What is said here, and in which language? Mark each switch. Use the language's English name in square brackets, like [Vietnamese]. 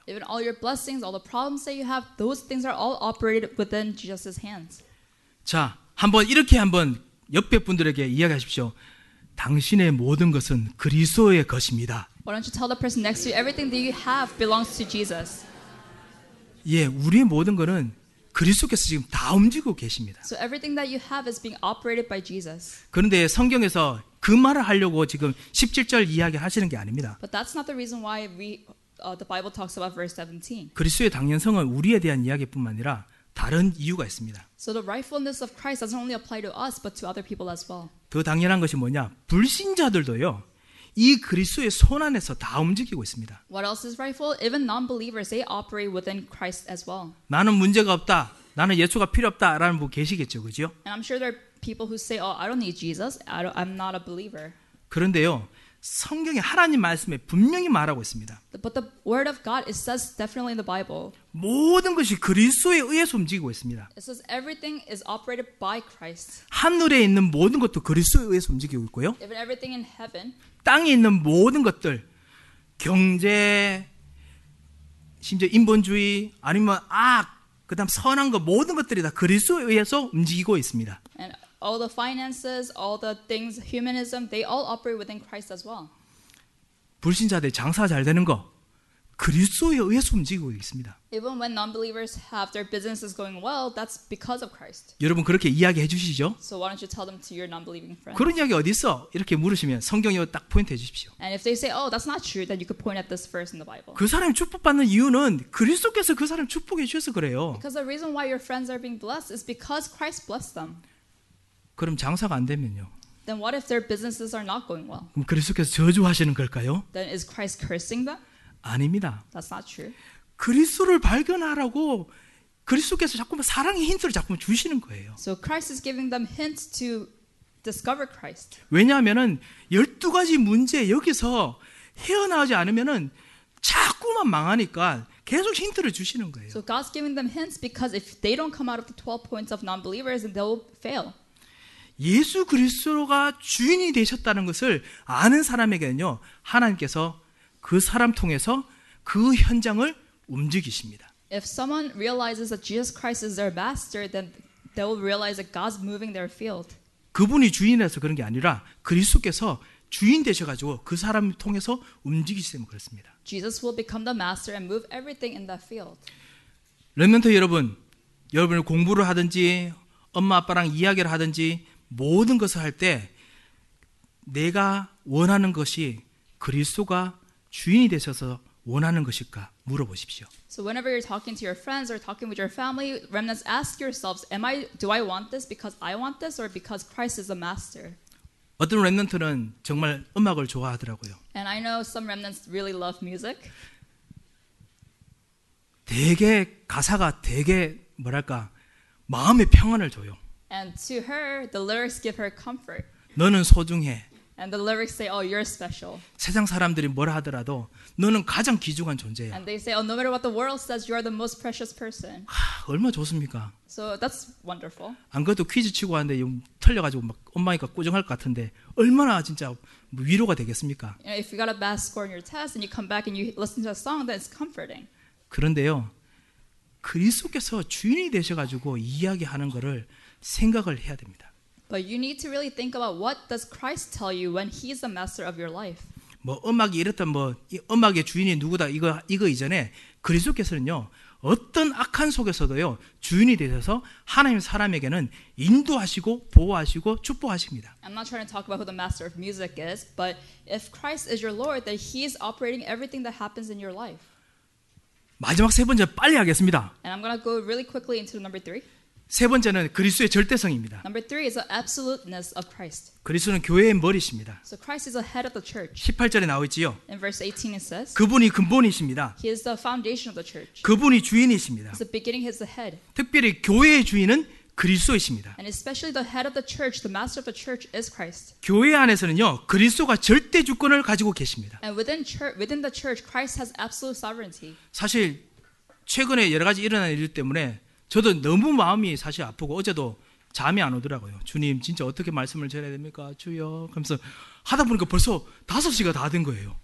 [English] Even all your blessings, all the problems that you have, those things are all operated within Jesus' hands. [Korean] 자, 한번 이렇게 한번 옆에 분들에게 이야기하십시오. 당신의 모든 것은 그리스도의 것입니다. [English] Why don't you tell the person next to you everything that you have belongs to Jesus? [Korean] 예, 우리의 모든 것은 그리스도께서 지금 다 움직이고 계십니다. [English] So everything that you have is being operated by Jesus. [Korean] 그런데 성경에서 그 말을 하려고 지금 17절 이야기 하시는 게 아닙니다. [English] But that's not the reason why the Bible talks about verse 17. [Korean] 그리스도의 당연성은 우리에 대한 이야기뿐만 아니라 다른 이유가 있습니다. [English] So the rightfulness of Christ doesn't only apply to us but to other people as well. [Korean] 더 당연한 것이 뭐냐? 불신자들도요. 이 그리스도의 손 안에서 다 움직이고 있습니다. [English] What else is rightful? Even non-believers, they operate within Christ as well. [Korean] 나는 문제가 없다. 나는 예수가 필요 없다라는 분 계시겠죠. 그죠? [English] And I'm sure there are people who say, "Oh, I don't need Jesus. I'm not a believer." [Korean] 그런데요. 성경에 하나님 말씀에 분명히 말하고 있습니다. [English] But the word of God it says definitely in the Bible. [Korean] 모든 것이 그리스도에 의해서 움직이고 있습니다. [English] It says everything is operated by Christ. [Korean] 하늘에 있는 모든 것도 그리스도에 의해서 움직이고 있고요. [English] Even everything in heaven. [Korean] 땅에 있는 모든 것들 경제 심지어 인본주의 아니면 악 그다음 선한 것 모든 것들이 다 그리스도에 의해서 움직이고 있습니다. [English] And all the finances, all the things, humanism, they all operate within Christ as well. [Korean] 불신자들 장사 잘 되는 거 그리스도에 의해서 움직이고 있습니다. [English] Even when non-believers have their businesses going well, that's because of Christ. [Korean] 여러분 그렇게 이야기해 주시죠. [English] So why don't you tell them to your non-believing friends? [Korean] 그런 이야기 어디 있어? 이렇게 물으시면 성경에 딱 포인트 해 주십시오. [English] And if they say, "Oh, that's not true," then you could point at this verse in the Bible. [Korean] 그 사람 축복받는 이유는 그리스도께서 그 사람 축복해 주셔서 그래요. [English] Because the reason why your friends are being blessed is because Christ blessed them. [Korean] 그럼 장사가 안 되면요? [English] Then what if their businesses are not going well? [Korean] 그럼 그리스도께서 저주하시는 걸까요? [English] Then is Christ cursing them? [Korean] 아닙니다. [English] That's not true. [Korean] 그리스도를 발견하라고 그리스도께서 자꾸만 사랑의 힌트를 자꾸만 주시는 거예요. [English] So Christ is giving them hints to discover Christ. [Korean] 왜냐하면은 12가지 문제 여기서 헤어나오지 않으면은 자꾸만 망하니까 계속 힌트를 주시는 거예요. [English] So God's giving them hints because if they don't come out of the 12 points of non-believers, then they'll fail. [Korean] 예수 그리스도가 주인이 되셨다는 것을 아는 사람에게는요 하나님께서 그 사람 통해서 그 현장을 움직이십니다. [English] If someone realizes that Jesus Christ is their master, then they will realize that God's moving their field. [Korean] 그분이 주인이라서 그런 게 아니라 그리스도께서 주인 되셔가지고 그 사람을 통해서 움직이시기 때문에 그렇습니다. [English] Jesus will become the master and move everything in that field. [Korean] 렘넌트 여러분, 여러분 공부를 하든지 엄마 아빠랑 이야기를 하든지 모든 것을 할 때 내가 원하는 것이 그리스도가 주인이 되셔서 원하는 것일까 물어보십시오. [English] So whenever you're talking to your friends or talking with your family, remnants, ask yourselves, am I, do I want this because I want this or because Christ is the master? [Korean] 어떤 렘넌트는 정말 음악을 좋아하더라고요. [English] And I know some remnants really love music. [Korean] 되게 가사가 되게 뭐랄까 마음의 평안을 줘요. [English] And to her, the lyrics give her comfort. [Korean] 너는 소중해. [English] And the lyrics say, "Oh, you're special." [Korean] 세상 사람들이 뭐라 하더라도 너는 가장 귀중한 존재야. [English] And they say, "Oh, no matter what the world says, you are the most precious person." [Korean] 하, 얼마 좋습니까? [English] So that's wonderful. [Korean] 안 그래도 퀴즈 치고 왔는데 좀 틀려가지고 막 엄마니까 꾸정할 것 같은데 얼마나 진짜 위로가 되겠습니까? [English] You know, if you got a bad score in your test and you come back and you listen to a song, then it's comforting. [Korean] 그런데요, 그리스도께서 주인이 되셔가지고 이야기하는 것을 생각을 해야 됩니다. [English] But you need to really think about what does Christ tell you when He's the master of your life. [Korean] 뭐 음악이 이렇든 뭐 이 음악의 주인이 누구다 이거 이전에 그리스도께서는요 어떤 악한 속에서도요 주인이 되셔서 하나님 사람에게는 인도하시고 보호하시고 축복하십니다. [English] I'm not trying to talk about who the master of music is, but if Christ is your Lord, then He's operating everything that happens in your life. [Korean] 마지막 세 번째 빨리 하겠습니다. [English] And I'm gonna go really quickly into number three. [Korean] 세 번째는 그리스도의 절대성입니다. [English] Number three is the absoluteness of Christ. [Korean] 그리스도는 교회의 머리십니다. [English] So Christ is the head of the church. [Korean] 18절에 나오지요. [English] In verse 18 it says, [Korean] 그분이 근본이십니다. [English] He is the foundation of the church. [Korean] 그분이 주인이십니다. [English] He's the beginning, he's the head. [Korean] 특별히 교회의 주인은 그리스도이십니다. [English] And especially the head of the church, the master of the church is Christ. [Korean] 교회 안에서는요, 그리스도가 절대 주권을 가지고 계십니다. [English] And within the church, Christ has absolute sovereignty. [Korean] 사실 최근에 여러 가지 일어난 일 때문에 저도 너무 마음이 사실 아프고 어제도 잠이 안 오더라고요. 주님 진짜 어떻게 말씀을 전해야 됩니까? 주여. 그러면서 하다 보니까 벌써 5시가 다 된 거예요.